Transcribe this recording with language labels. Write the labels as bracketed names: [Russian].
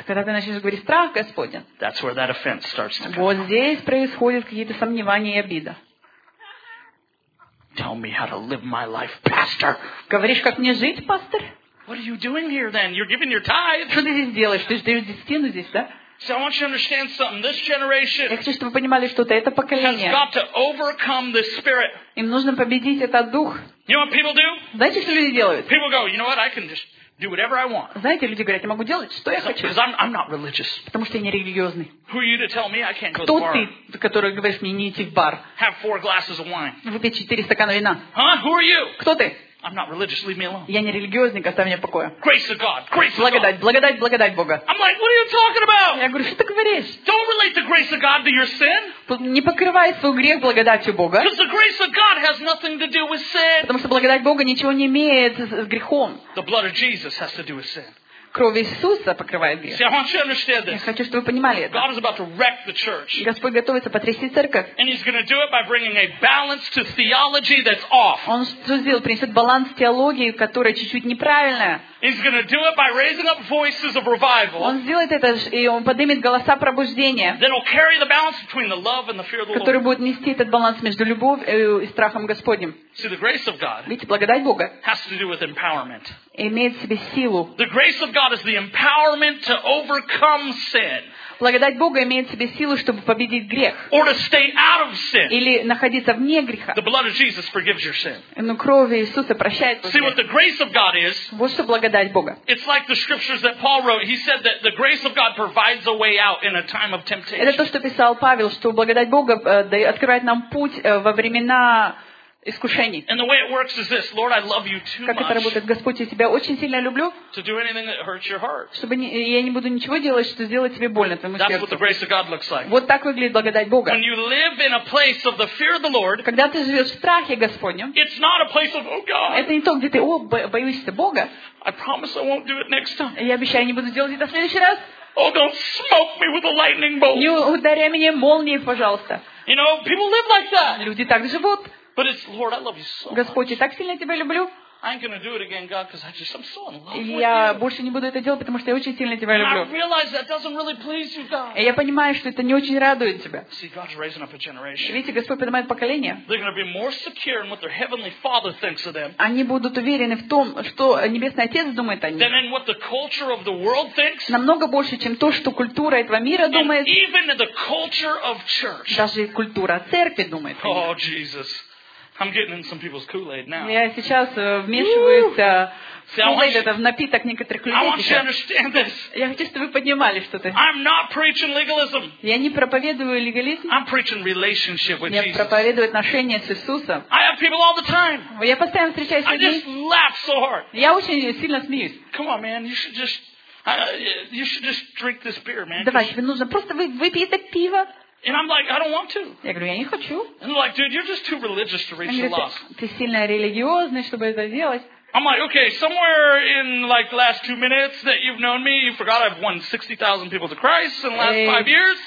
[Russian] Когда ты начинаешь говорить страх Господень. [English] That's where that offense starts to come. [Russian] Вот здесь происходят какие-то сомнения и обида. [English] tell me how to live my life, pastor. [Russian] Говоришь, как мне жить, пастор? [English] What are you doing here then? You're giving your tithe. [Russian] Что ты здесь делаешь? Ты же даешь десятину здесь, да? [English] So I want you to understand something. This generation. [Russian] Я хочу, чтобы вы понимали, что-то это поколение. [English] Has got to overcome this spirit. [Russian] Им нужно победить этот дух. [English] You know what people do? [Russian] Знаете, что люди делают? [English] People go, you know what? I can just do whatever I want. [Russian] Знаете, люди говорят, я могу делать, что я хочу. [English] Because I'm not religious. [Russian] Потому что я не религиозный. [English] Who are you to tell me I can't go to the bar? [Russian] Кто ты, который говоришь мне не идти в бар? [English] Have four glasses of wine. [Russian] Выпей 4 стакана вина. [English] Huh? Who are you? [Russian] Кто ты? [English] I'm not religious. Leave me alone. [Russian] Я не религиозник, оставь меня в покое. [English] Grace of God. Grace of God. [Russian] Благодать, благодать, благодать Бога. [English] I'm like, what are you talking about? [Russian] Я говорю, что ты говоришь? [English] Don't relate the grace of God to your sin. [Russian] Не покрывай свой грех благодатью Бога. [English] Because the grace of God has nothing to do with sin. [Russian] Потому что благодать Бога ничего не имеет с грехом. [English] The blood of Jesus has to do with sin. [Russian] Кровь Иисуса покрывает грех. [English] See, I want you to understand this. [Russian] Я хочу, чтобы вы понимали это. [English] God is about to wreck the church. [Russian] Господь готовится потрясти церковь. [English] And he's going to do it by bringing a balance to theology that's off. [Russian] Он сделал, принесет баланс теологии, которая чуть-чуть неправильная. [English] He's going to do it by raising up voices of revival. [Russian] Он сделает это, и он поднимет голоса пробуждения. [English] Then he'll carry the balance between the love and the fear of the Lord. [Russian] Который будет нести этот баланс между любовью и страхом Господним. [English] See, the grace of God. [Russian] Видите, благодать Бога. [English] Has to do with empowerment. [Russian] Имеет в себе силу. [English] The grace of God is the empowerment to overcome sin. [Russian] Благодать Бога имеет в себе силу, чтобы победить грех. [English] Or to stay out of sin. [Russian] Или находиться вне греха. [English] The blood of Jesus forgives your sin. [Russian] Но кровь Иисуса прощает. [English] See what the grace of God is. [Russian] Вот что благодать Бога. [English] It's like the scriptures that Paul wrote. He said that the grace of God provides a way out in a time of temptation. [Russian] Это то, что писал Павел, что благодать Бога открывает нам путь во времена искушений. [English] And the way it works is this. Lord, I love you too much. [Russian] Как это работает? Господь, я тебя очень сильно люблю. [English] To do anything that hurts your heart. [Russian] Чтобы я не буду ничего делать, что сделает тебе больно твоему сердцу. [English] That's what the grace of God looks like. [Russian] Вот так выглядит благодать Бога. [English] When you live in a place of the fear of the Lord. [Russian] Когда ты живешь в страхе Господнем. [English] It's not a place of, oh God. [Russian] Это не то, где ты, о, боишься Бога. [English] I promise I won't do it next time. [Russian] Я обещаю, не буду делать это в следующий раз. [English] Oh, don't smoke me with a lightning bolt. [Russian] Не ударяй меня молнией, пожалуйста. [English] You know, people live like that. [Russian] Люди так живут. [English] But it's, Lord, I love you so much. [Russian] Господи, так сильно я тебя люблю. [English] I ain't gonna do it again, God, because I'm so in love with you. [Russian] Я больше не буду это делать, потому что я очень сильно тебя люблю. [English] And I realize that doesn't really please you, God. [Russian] И я понимаю, что это не очень радует тебя. [English] See, God's raising up a generation. [Russian] Видите, Господь поднимает поколение. [English] They're gonna be more secure in what their heavenly Father thinks of them. [Russian] Они будут уверены в том, что небесный Отец думает о них. [English] Than in what the culture of the world thinks. [Russian] Намного больше, чем то, что культура этого мира думает. [English] And even the culture of church. [Russian] Даже культура церкви думает. [English] Oh, Jesus. I'm getting in some people's Kool-Aid now. [Russian] Я сейчас вмешиваюсь в Kool-Aid, это в напиток некоторых людей. [English] I want you to understand this. [Russian] Я хочу, чтобы вы понимали что-то. [English] I'm not preaching legalism. [Russian] Я не проповедую легализм. [English] I'm preaching relationship with Jesus. [Russian] Я проповедую отношения с Иисусом. [English] I have people all the time. [Russian] Я постоянно встречаюсь с людьми. [English] I just laugh so hard. [Russian] Я очень сильно смеюсь. [English] Come on, man, you should just drink this beer, man. [Russian] Давай, тебе нужно просто выпей это пиво. [English] And I'm like, I don't want to. [Russian] Я говорю, я не хочу. [English] And they're like, dude, you're just too religious to reach the lost. [Russian] Ты сильно религиозный, чтобы это делать. [English] I'm like, okay, somewhere in like last 2 minutes that you've known me, you forgot I've won 60,000 people to Christ in the last 5 years.